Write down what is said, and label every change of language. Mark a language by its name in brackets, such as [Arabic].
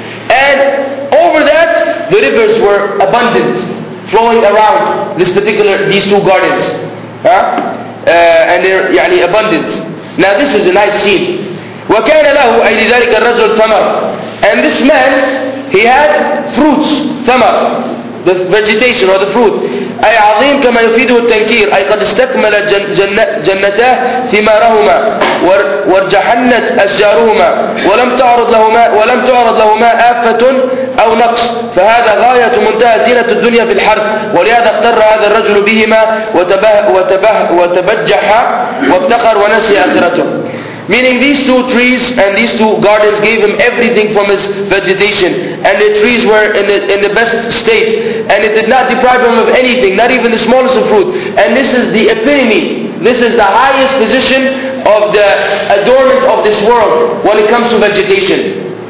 [English] And over that, the rivers were abundant, flowing around these two gardens. And they're يعني abundant. Now this is a nice scene. [Arabic] وَكَانَ لَهُ أَيْ لِذَلِكَ الرَّجُلُ ثَمَرُ. [English] And this man, he had fruits, ثَمَرُ, the vegetation or the fruit. [Arabic] أي عظيم كما يفيده التنكير, أي قد استكمل جنتاه ثمارهما وارجحنت أشجارهما ولم تعرض لهما آفة أو نقص, فهذا غاية منتهى زينة الدنيا في الحرث, ولهذا اختر هذا الرجل بهما وتبجح وافتخر ونسي آخرته. [English] Meaning these two trees and these two gardens gave him everything from his vegetation, and the trees were in the best state, and it did not deprive him of anything, not even the smallest of fruit. And this is the epitome This is the highest position of the adornment of this world when it comes to vegetation.